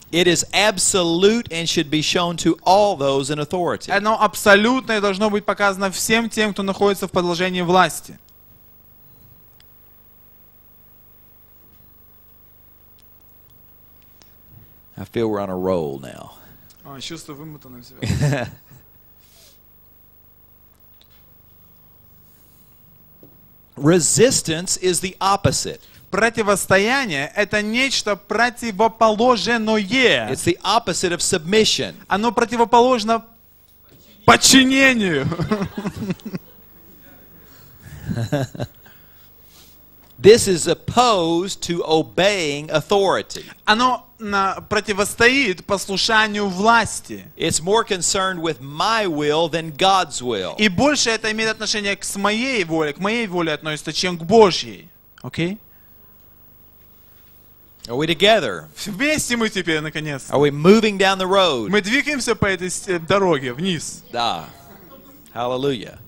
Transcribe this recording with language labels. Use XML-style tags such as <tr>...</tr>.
<en>It is absolute and should be shown to all those in authority.</en> <ru>Оно абсолютное и должно быть показано всем тем, кто находится в положении власти.</ru> <en>I feel we're on a roll now.</en> <ru>Чувствую вымотанным себя.</ru> <en>Resistance is the opposite.</en> <ru>Противостояние – это нечто противоположное.</ru> <en>It's the opposite of submission.</en> <ru>Оно противоположно подчинению.</ru> <en>This is opposed to obeying authority.</en> <ru>Оно противостоит послушанию власти.</ru> <en>It's more concerned with my will than God's will.</en> <ru>И больше это имеет отношение к моей воле, к моей воле относится, чем к Божьей.</ru> <en>Okay? Are we together?</en> <ru>Вместе мы теперь наконец.</ru> <en>Are we moving down the road?</en> <ru>Мы двигаемся по этой дороге вниз. Да. Hallelujah.</ru>